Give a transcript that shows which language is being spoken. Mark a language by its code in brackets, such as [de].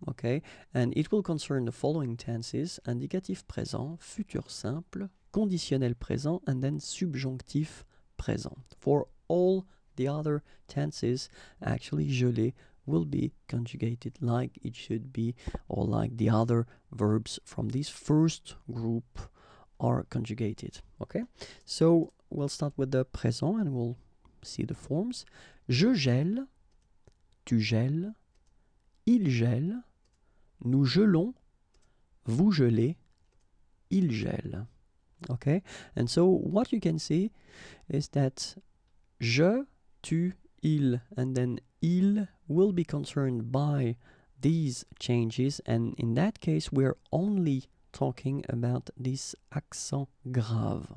[en] Okay, and it will concern the following tenses: indicatif présent, futur simple, conditionnel présent, and then subjonctif présent. For all the other tenses, actually geler will be conjugated like it should be, or like the other verbs from this first group are conjugated. Okay, so we'll start with the présent and we'll see the forms. [fr] Je gèle, tu gèles, il gèle, nous gelons, vous gelez, il gèle. [en] Okay, and so what you can see is that je, tu, il, and then il will be concerned by these changes, and in that case we're only talking about this accent grave.